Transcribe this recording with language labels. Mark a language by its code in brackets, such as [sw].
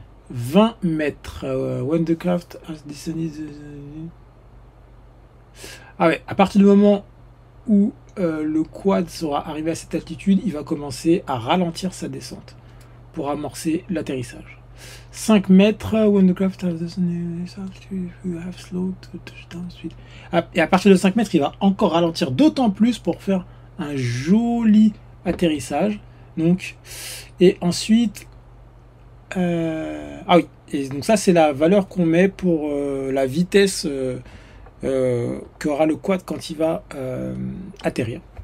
[fr] 20 mètres. [en] When the craft has descended. [fr] Ah ouais, à partir du moment où le quad sera arrivé à cette altitude, il va commencer à ralentir sa descente pour amorcer l'atterrissage. 5 mètres. [en] When the craft has descended, you have slowed to touchdown speed. [fr] Et à partir de 5 mètres, il va encore ralentir d'autant plus pour faire un joli atterrissage. Donc, et ensuite, ah oui, et donc ça c'est la valeur qu'on met pour la vitesse qu'aura le quad quand il va atterrir.